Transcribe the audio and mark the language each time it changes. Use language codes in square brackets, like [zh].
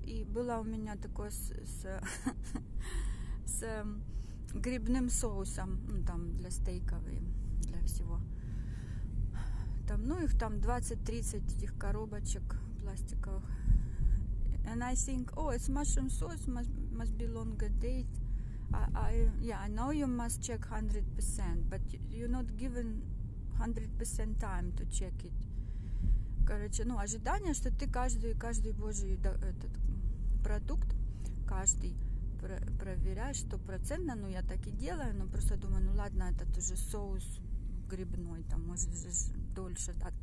[ru] И было у меня такое с грибным соусом, ну, там, для стейков и для всего. Там, ну, их там 20-30 этих коробочек пластиковых. [en] And I think, oh, it's mushroom sauce, must be longer date. I know you must check 100%, but you're not given 100% time to check it. [ru] Короче, ну, ожидание, что ты каждый божий этот продукт, каждый проверяешь 100%, ну, я так и делаю, но просто думаю, ну, ладно, этот уже соус грибной, там, может же дольше.